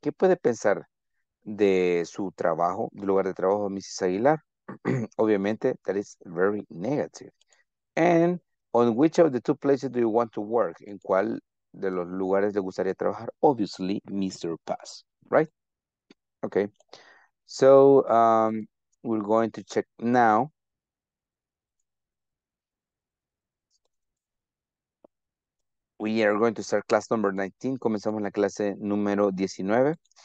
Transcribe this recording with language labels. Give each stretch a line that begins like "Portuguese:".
Spanish: ¿Qué puede pensar de su trabajo, del lugar de trabajo de Mrs.
English: Aguilar?
Spanish: Obviamente,
English: that is very negative. And on which of the two places do you want to work?
Spanish: ¿En cuál de los lugares le gustaría trabajar?
English: Obviously, Mr. Paz, right? Okay. So, we're going to check now. We are going to start class number 19.
Spanish: Comenzamos la clase número 19.